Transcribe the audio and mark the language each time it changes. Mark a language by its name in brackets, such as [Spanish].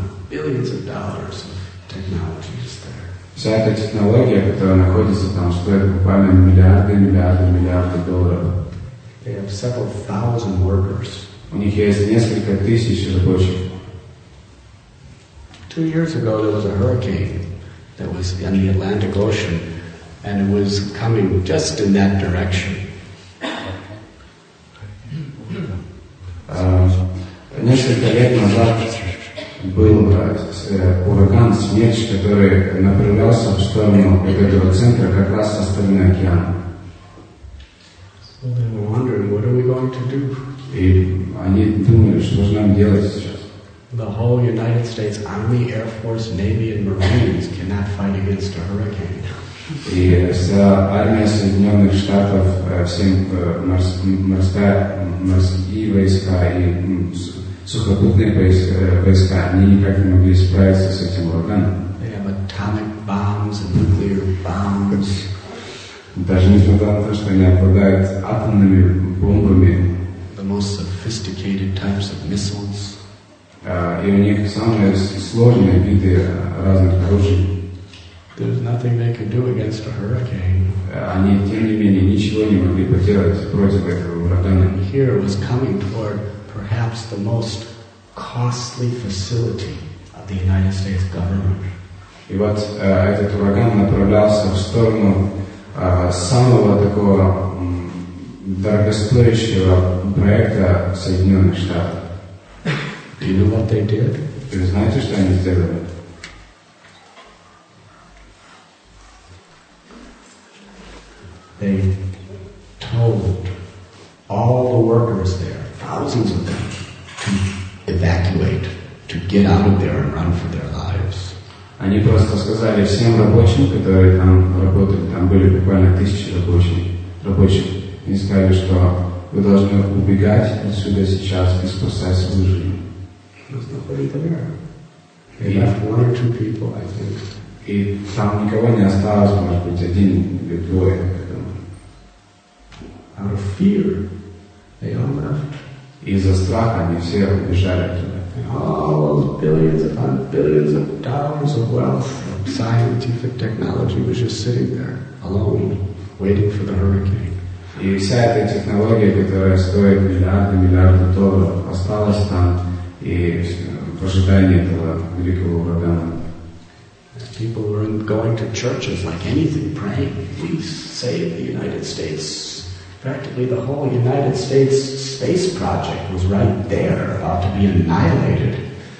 [English] Billions upon billions of dollars of technology is there. [Russian] Вся эта технология, которая находится там, стоит буквально миллиарды долларов. [English] They have several thousand workers. [Russian] У них есть несколько тысяч рабочих. [English] 2 years ago there was a hurricane that was in the Atlantic Ocean, and it was coming just in that direction. [Russian] Несколько лет назад был ураган смерч, который направлялся в сторону этого центра, как раз со стороны океана. [English] They were wondering, what are we going to do? [Russian] И они думали, что же нам делать сейчас? [English] The whole United States Army, Air Force, Navy, and Marines cannot fight against a hurricane. [Russian] И вся армия Соединенных Штатов, все морские войска и сухопутные войска, они никак не могли справиться с этим ураганом. [English] They have atomic bombs and nuclear bombs. [Russian] Даже несмотря на то, что они обладают атомными бомбами. [English] The most sophisticated types of missiles. [Russian] И у них самые сложные виды разных оружий. [English] There's nothing they can do against a hurricane. [Russian] Они, тем не менее, ничего не могли поделать против этого урагана. [English] Here it was coming toward perhaps the most costly facility of the United States government. [Russian] И вот этот ураган направлялся в сторону самого такого дорогостоящего проекта Соединенных Штатов. [English] Do you know what they did? [Russian] Вы знаете, что они сделали? [English] They told all the workers there, thousands of them, to evacuate, to get out of there and run for their lives. [Russian] Они просто сказали всем рабочим, которые там работали, там были буквально тысячи рабочих, и сказали, что вы должны убегать отсюда сейчас и спасать свою жизнь. [English] There's nobody there. They left one or two people, I think. [Russian] И там никого не осталось, может быть, один или двое, я думаю. [English] Out of fear, they all left. [Russian] Из-за страха они все убежали оттуда. [English] All those billions upon billions of dollars of wealth, of scientific technology was just sitting there, alone, waiting for the hurricane. [Russian] И вся эта технология, которая стоит миллиарды, миллиарды долларов, осталась там и в ожидании этого великого урагана. [English] People were going to churches like anything, praying, please save the United States. Practically the whole United States space project was right there, about to be annihilated.